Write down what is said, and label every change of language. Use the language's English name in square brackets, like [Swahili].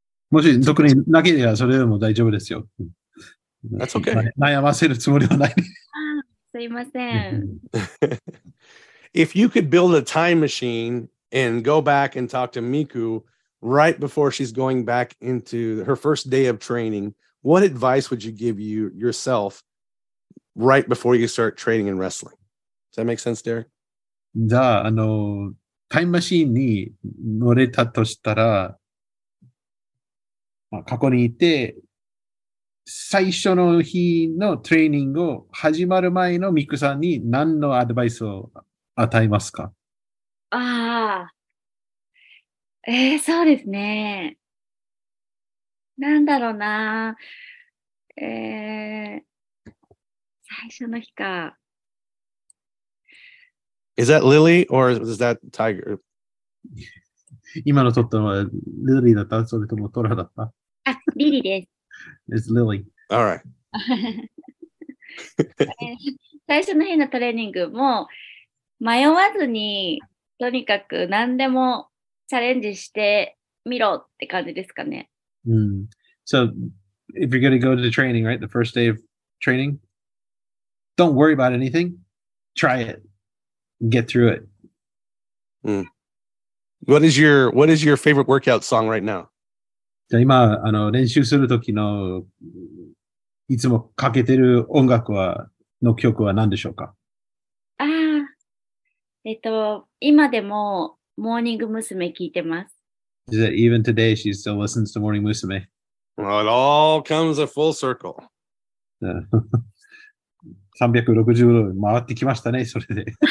[Japanese] もし特になければそれでも大丈夫ですよ。 [English] That's okay. [Japanese] 悩ませるつもりはない。すいません。 [English] If you could build a time machine and go back and talk to Miku right before she's going back into her first day of training, what advice would you give you yourself right before you start training and wrestling? Does that make sense, Derek? [Japanese] じゃあ、あの、タイムマシーンに乗れたとしたら、まあ、過去にいて、最初の日のトレーニングを始まる前のミクさんに何のアドバイスを与えますか？ああ。そうですね。なんだろうな。最初の日か。 [English] Is that Lily or is that Tiger? [Japanese] 今の撮ったのは Lily だった？それともトラだった？リリーです。 [English] It's Lily. All right. [Japanese] 最初の日のトレーニングも迷わずにとにかく何でもチャレンジしてみろって感じですかね。 [English] So if you're going to go to the training, right, the first day of training, don't worry about anything. Try it. Get through it. What is your favorite workout song right now? [Japanese] じゃあ今、あの、練習するときの、いつもかけてる音楽は、の曲は何でしょうか？ああ、今でも、モーニング娘。聞いてます。 [English] Is that even today she still listens to Morning 娘？ Well, it all comes a full circle. [Japanese] 360度回ってきましたね、それで。